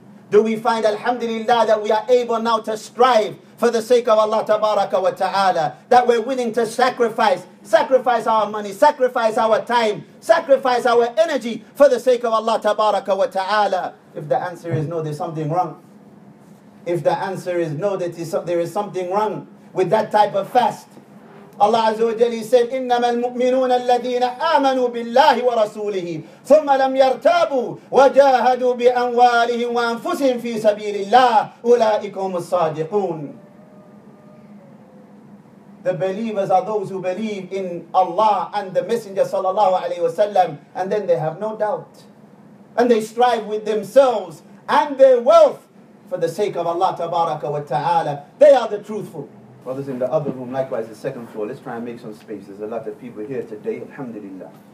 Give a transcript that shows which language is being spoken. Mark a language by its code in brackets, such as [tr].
[en] Do we find, alhamdulillah, that we are able now to strive for the sake of Allah tabaraka wa ta'ala, that we're willing to sacrifice our money, sacrifice our time, sacrifice our energy for the sake of Allah tabaraka wa ta'ala? If the answer is no, there's something wrong. If the answer is no, that there is something wrong with that type of fast. Allah Azza wa Jalla said, [ar] إِنَّمَا الْمُؤْمِنُونَ الَّذِينَ آمَنُوا بِاللَّهِ وَرَسُولِهِ ثُمَّ لَمْ يَرْتَابُوا وَجَاهَدُوا بِأَنْوَالِهِمْ وَأَنفُسِهِمْ فِي سَبِيلِ اللَّهِ أُولَٰئِكُمُ الصَّادِقُونَ. [en] The believers are those who believe in Allah and the Messenger [ar] sallallahu alayhi wa sallam, [en] and then they have no doubt. And they strive with themselves and their wealth for the sake of Allah tabaraka wa ta'ala. They are the truthful. Brothers in the other room, likewise the second floor, let's try and make some space. There's a lot of people here today, alhamdulillah.